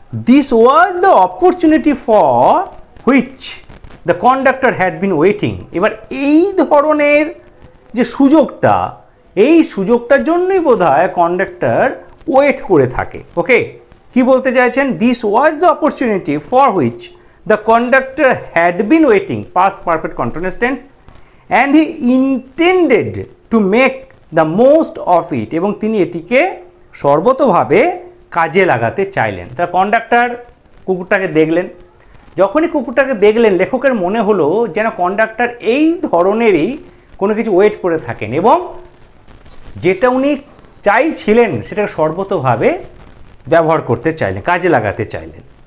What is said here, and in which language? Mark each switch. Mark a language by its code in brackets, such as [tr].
[en] This was the opportunity for which the conductor had been waiting. [bn] এবার এই ধরনের যে সুযোগটা, এই সুযোগটার জন্যই বোধহয় কন্ডাক্টর ওয়েট করে থাকে। ওকে, কি বলতে চাইছেন? [en] This was the opportunity for which The conductor had been waiting past perfect continuous tense and he intended to make the most of it. [bn] এবং তিনি এটিকে সর্বতোভাবে কাজে লাগাতে চাইলেন। The conductor কুকুরটাকে দেখলেন। যখনই কুকুরটাকে দেখলেন লেখকের মনে হলো যেন কন্ডাক্টর এই ধরনেরই কোনো কিছু ওয়েট করে থাকেন এবং যেটা উনি চাইছিলেন সেটাকে সর্বতোভাবে ব্যবহার করতে চাইলেন, কাজে লাগাতে চাইলেন।